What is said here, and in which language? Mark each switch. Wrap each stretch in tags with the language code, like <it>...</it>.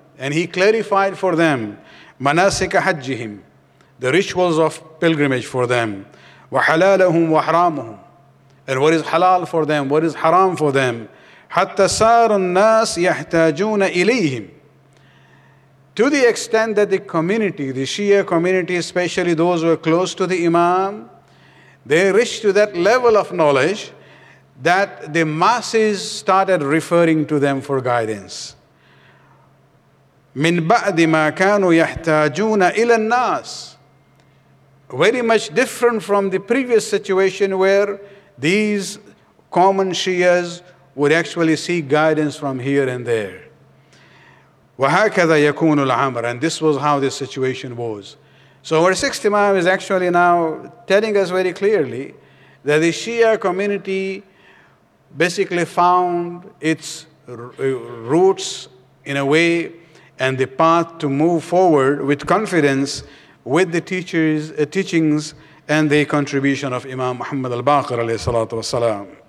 <en>And he clarified for them</en> <ar>مناسك حجهم,</ar> <en>the rituals of pilgrimage for them,</en> <ar>وحلالهم وحرامهم,</ar> <en>and what is halal for them, what is haram for them,</en> <ar>حتى صار الناس يحتاجون إليهم,</ar> <en>to the extent that the community, the Shia community, especially those who are close to the Imam, they reached to that level of knowledge that the masses started referring to them for guidance.</en> <ar>من بعد ما كانوا يحتاجون إلى الناس.</ar> <en>Very much different from the previous situation where these common Shias would actually seek guidance from here and there.</en> <ar>وَهَكَذَا يَكُونُ الْعَمْرَ.</ar> <en>And this was how the situation was. So our sixth Imam is actually now telling us very clearly that the Shia community basically found its roots in a way and the path to move forward with confidence with the teachers, teachings and the contribution of Imam Muhammad al-Baqir alayhi salatu wasalam.</en>